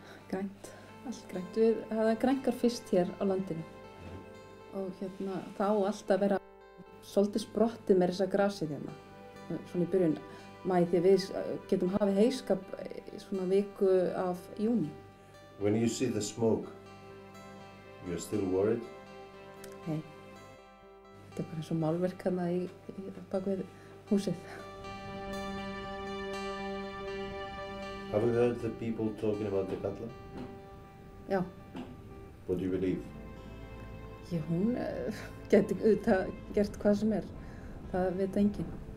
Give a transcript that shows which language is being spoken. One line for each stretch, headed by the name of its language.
Icelandic: Grænt, allt grænt. Við hafðum grænkar fyrst hér á landinu og hérna þá allt að vera svolítið sprottið með þessa grasið hérna. Svona í byrjun maí því við getum hafið heyskap svona viku af júní.
English: When you see the smoke, you're still worried?
Icelandic: Nei, þetta bara eins og málverk hérna í bak við húsið.
English: Have you heard the people talking about the Katla?
Icelandic: Já.
English: What do you believe?
Icelandic: Já, hún geti gert hvað sem Það veit enginn.